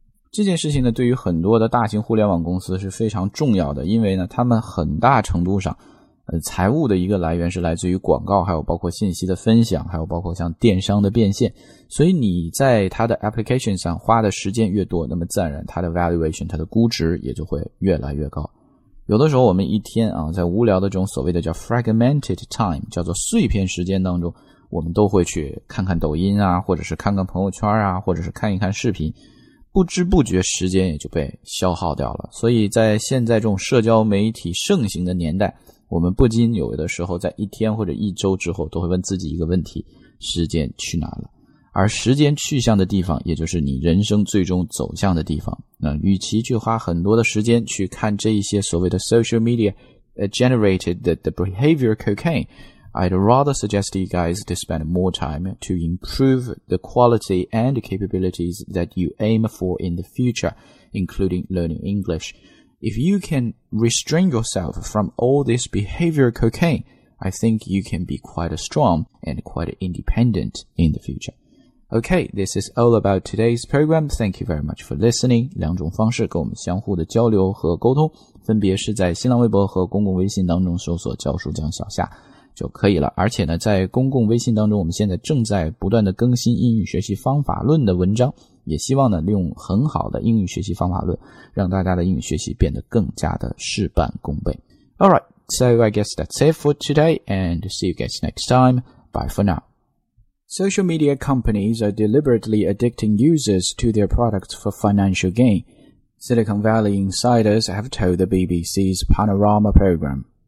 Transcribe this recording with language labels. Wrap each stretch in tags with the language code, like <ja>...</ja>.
<zh>这件事情呢对于很多的大型互联网公司是非常重要的，因为呢他们很大程度上财务的一个来源是来自于广告，还有包括信息的分享，还有包括像电商的变现。所以你在它的 application 上花的时间越多，那么自然它的 valuation, 它的估值也就会越来越高。有的时候我们一天在无聊的这种所谓的叫 fragmented time, 叫做碎片时间当中，我们都会去看看抖音啊，或者是看看朋友圈啊，或者是看一看视频，不知不觉时间也就被消耗掉了。所以在现在这种社交媒体盛行的年代，我们不禁有的时候在一天或者一周之后都会问自己一个问题，时间去哪了？而时间去向的地方也就是你人生最终走向的地方。那与其去花很多的时间去看这一些所谓的</zh> <en>social media generated the behavior cocaineI'd rather suggest you guys to spend more time to improve the quality and capabilities that you aim for in the future, including learning English. If you can restrain yourself from all this behavioral cocaine, I think you can be quite strong and quite independent in the future. Okay, this is all about today's program. Thank you very much for listening.</en> <zh>两种方式跟我们相互的交流和沟通，分别是在新浪微博和公共微信当中搜索教书匠小夏就可以了。而且呢，在公共微信当中，我们现在正在不断的更新英语学习方法论的文章，也希望呢，利用很好的英语学习方法论，让大家的英语学习变得更加的事半功倍。</zh> <en>All right, so I guess that's it for today, and see you guys next time. Bye for now. Social media companies are deliberately addicting users to their products for financial gain. Silicon Valley insiders have told the BBC's Panorama program.</en>